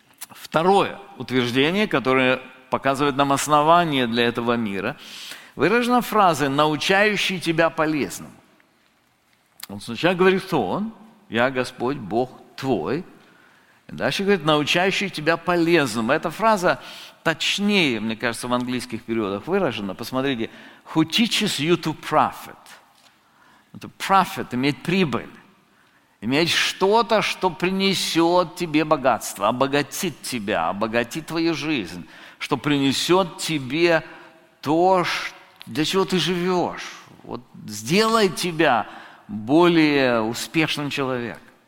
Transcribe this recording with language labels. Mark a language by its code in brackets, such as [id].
[ru] Второе утверждение, которое показывает нам основание для этого мира, выражено фразой «научающий тебя полезному». Он сначала говорит, кто он? «Я Господь, Бог твой», дальше говорит, «научающий тебя полезным». Эта фраза точнее, мне кажется, в английских переводах выражена. Посмотрите, [en] «who teaches you to profit». [ru] Это profit, иметь прибыль, иметь что-то, что принесет тебе богатство, обогатит тебя, обогатит твою жизнь, что принесет тебе то, для чего ты живешь. Вот сделает тебя более успешным человеком.